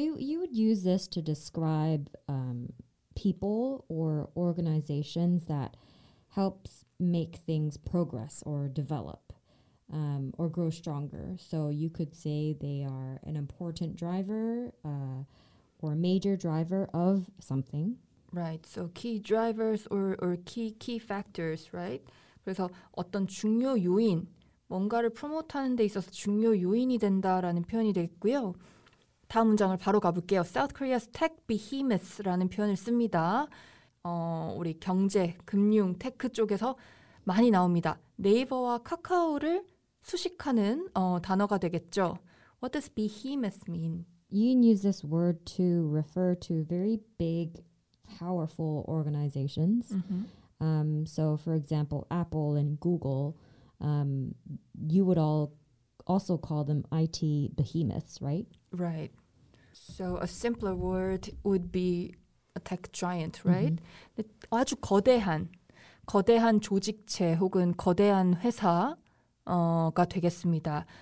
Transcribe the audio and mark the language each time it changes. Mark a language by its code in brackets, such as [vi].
[en] You would use this to describe people or organizations that helps make things progress or develop or grow stronger. So you could say they are an important driver or a major driver of something. Right, so key drivers or key factors, right? [ko] 그래서 어떤 중요 요인, 뭔가를 프로모트하는 데 있어서 중요 요인이 된다라는 표현이 되겠고요. 다음 문장을 바로 가볼게요. [en] South Korea's tech behemoths [ko] 라는 표현을 씁니다. 우리 경제, 금융, 테크 쪽에서 많이 나옵니다. 네이버와 카카오를 수식하는 단어가 되겠죠. [en] What does behemoth mean? You can use this word to refer to very big, powerful organizations. Mm-hmm. So, for example, Apple and Google, you would all also call them IT behemoths, right? Right. So a simpler word would be a tech giant, right? Mm-hmm. [ko] 아주 거대한 조직체 혹은 거대한 회사가 되겠습니다.